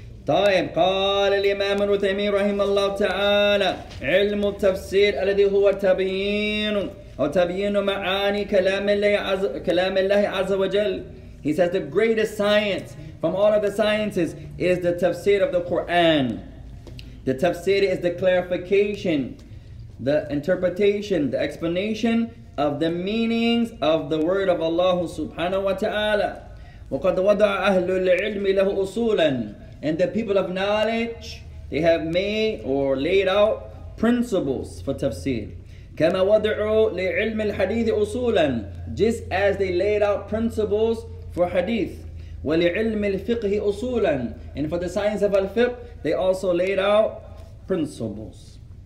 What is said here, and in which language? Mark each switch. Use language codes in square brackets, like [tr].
[ar] طيب قال الإمام الوثيمين رحمه الله تعالى علم التفسير الذي هو تبيين أو تبيين معاني كلام الله عز وجل. [en] He says the greatest science from all of the sciences is the tafsir of the Quran. The tafsir is the clarification, the interpretation, the explanation of the meanings of the word of Allah subhanahu wa ta'ala. [ar] وقد وضع أهل العلم له أصولا. [en] And the people of knowledge, they have made or laid out principles for tafsir. [ar] كَمَا وَضِعُوا لِعِلْمِ الْحَدِيثِ أُصُولًا. [en] Just as they laid out principles for hadith. [ar] وَلِعِلْمِ الْفِقْهِ أُصُولًا. [en] And for the science of al-fiqh, they also laid out principles.